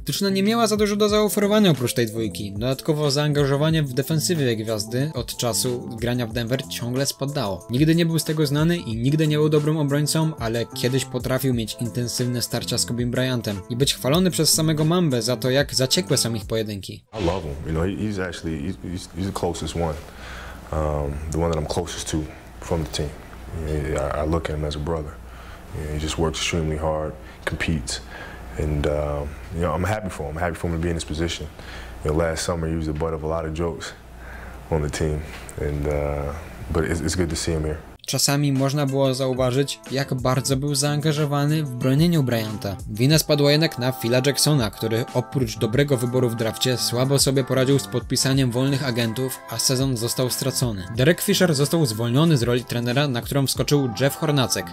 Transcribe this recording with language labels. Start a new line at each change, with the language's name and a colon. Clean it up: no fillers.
Polish: Drużyna nie miała za dużo do zaoferowania oprócz tej dwójki. Dodatkowo zaangażowanie w defensywie gwiazdy od czasu grania w Denver ciągle spadało. Nigdy nie był z tego znany i nigdy nie był dobrym obrońcą, ale kiedyś potrafił mieć intensywne starcia z Kobe Bryantem i być chwalony przez samego Mambę za to, jak zaciekłe są ich pojedynki.
English: You know, he's the closest one, the one that I'm closest to from the team. You know, I look at him as a brother. You know, he just works extremely hard, competes, and you know, I'm happy for him. I'm happy for him to be in this position. You know, last summer he was the butt of a lot of jokes on the team, and but it's good to see him here.
Polish: czasami można było zauważyć, jak bardzo był zaangażowany w bronieniu Bryanta. Wina spadła jednak na Phila Jacksona, który oprócz dobrego wyboru w drafcie słabo sobie poradził z podpisaniem wolnych agentów, a sezon został stracony. Derek Fisher został zwolniony z roli trenera, na którą wskoczył Jeff Hornacek.